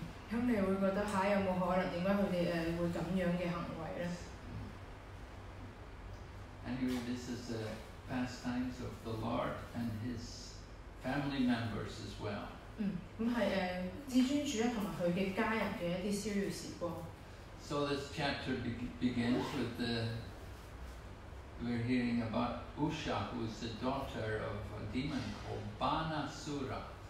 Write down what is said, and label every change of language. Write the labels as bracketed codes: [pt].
[zh] 你會覺得有沒有可能為什麼他們會這樣的行為呢? [en] Anyway, this is the pastimes of the Lord and his family members as well. [zh] 是至尊主和他家人的一些逍遙時光。 [en] So this chapter begins with the... We're hearing about Usha, who is the daughter of a demon called Banasura.